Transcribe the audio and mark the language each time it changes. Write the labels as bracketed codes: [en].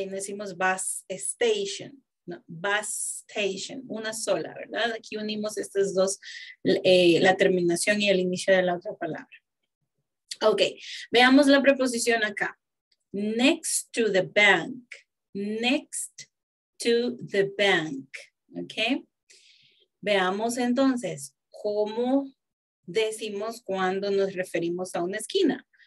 [es] No decimos bus station, no, bus station, una sola, ¿verdad? Aquí unimos estas dos, la terminación y el inicio de la otra palabra. Ok, veamos la preposición acá. [en] Next to the bank, next to the bank, okay? [es] Veamos entonces cómo decimos cuando nos referimos a una esquina.